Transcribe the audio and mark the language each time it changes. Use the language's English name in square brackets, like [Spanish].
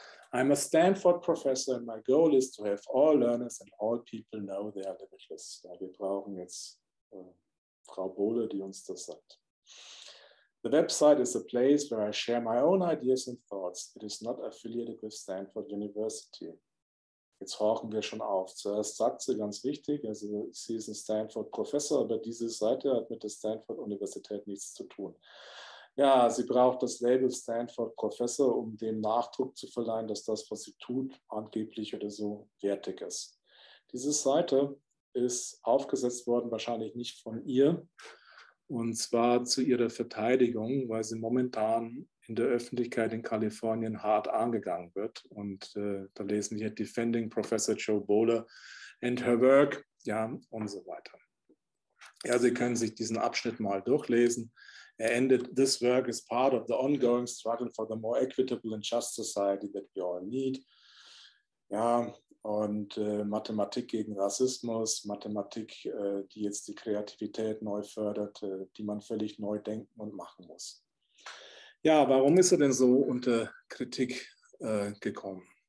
[English] I'm a Stanford professor and my goal is to have all learners and all people know they are limitless. [German] Ja, wir brauchen jetzt Frau Bohle, die uns das sagt. [English] The website is a place where I share my own ideas and thoughts. It is not affiliated with Stanford University. [German] Jetzt horchen wir schon auf. Zuerst sagt sie, ganz wichtig, also sie ist ein Stanford-Professor, aber diese Seite hat mit der Stanford-Universität nichts zu tun. Ja, sie braucht das Label Stanford-Professor, um dem Nachdruck zu verleihen, dass das, was sie tut, angeblich oder so wertig ist. Diese Seite ist aufgesetzt worden, wahrscheinlich nicht von ihr, und zwar zu ihrer Verteidigung, weil sie momentan in der Öffentlichkeit in Kalifornien hart angegangen wird. Und da lesen wir [English] Defending Professor Jo Bohle and her work, [German] ja, und so weiter. Ja, Sie können sich diesen Abschnitt mal durchlesen. Er endet, [English] this work is part of the ongoing struggle for the more equitable and just society that we all need. [German] Ja, und Mathematik gegen Rassismus, Mathematik, die jetzt die Kreativität neu fördert, die man völlig neu denken und machen muss. Ja, warum ist er denn so unter Kritik gekommen?